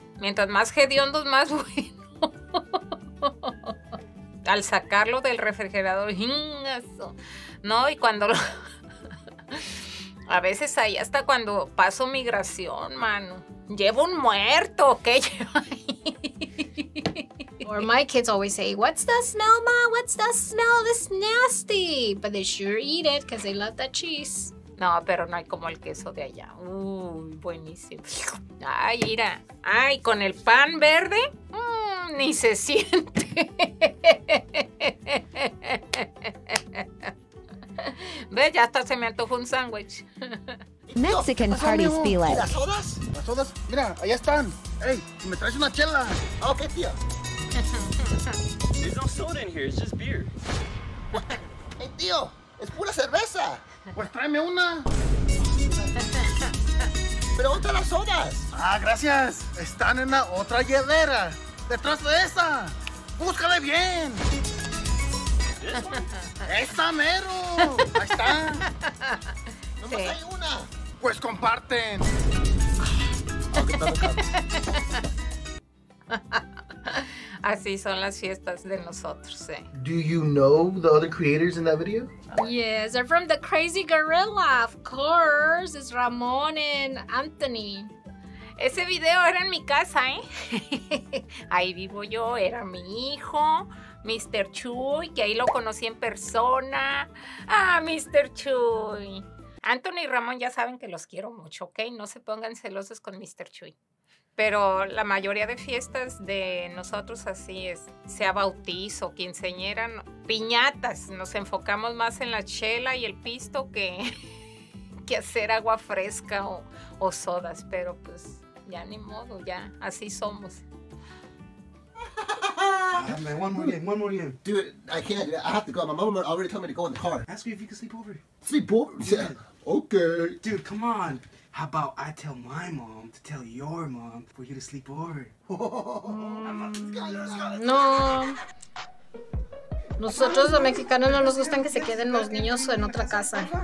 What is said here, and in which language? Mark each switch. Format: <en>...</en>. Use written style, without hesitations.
<es>Mientras más hediondos, más bueno. Al sacarlo del refrigerador, ¡ingazo! No, y cuando lo... A veces ahí, hasta cuando paso migración, mano. Llevo un muerto, ¿qué lleva ahí?</es> <en>Or my kids always say, what's that smell, ma? What's that smell? That's nasty. But they sure eat it because they love that cheese.</en> <es>No, pero no hay como el queso de allá. Uy, buenísimo. Ay, mira. Ay, con el pan verde, ni se siente. Ve, ya hasta se me antojó un sándwich. Mexican no, party spilet. ¿Y las sodas? Las sodas, mira, allá están. Hey, ¿me traes una chela? Ah, ok, tía.</es> <en>There's no soda in here, it's just beer. What? Hey,</en> <es>tío, es pura cerveza. Pues tráeme una. Pero ¿dónde están las sodas? Ah, gracias. Están en la otra hielera. Detrás de esa. Búscale bien. ¡Esa mero! ¡Ahí está! ¡Nomás sí. Hay una! ¡Pues comparten! Así son las fiestas de nosotros, ¿eh?</es> <en>Do you know the other creators in that video? Yes, they're from the Crazy Gorilla, of course. It's Ramon and Anthony.</en> <es>Ese video era en mi casa, ¿eh? Ahí vivo yo, era mi hijo. Mr. Chuy, que ahí lo conocí en persona. ¡Ah, Mr. Chuy! Anthony y Ramón ya saben que los quiero mucho, ¿ok? No se pongan celosos con Mr. Chuy. Pero la mayoría de fiestas de nosotros así es, sea bautizo, quinceañera, piñatas. Nos enfocamos más en la chela y el pisto que hacer agua fresca o sodas. Pero pues ya ni modo, ya así somos.</es> <en>Oh, man, one more game. Dude, I can't. I have to go. My mom already told me to go in the car. Ask me if you can sleep over. Sleep over? Yeah. Okay. Dude, come on. How about I tell my mom to tell your mom for you to sleep over? No.</en> <es>Nosotros los mexicanos no nos gustan que se queden los niños en otra casa.</es>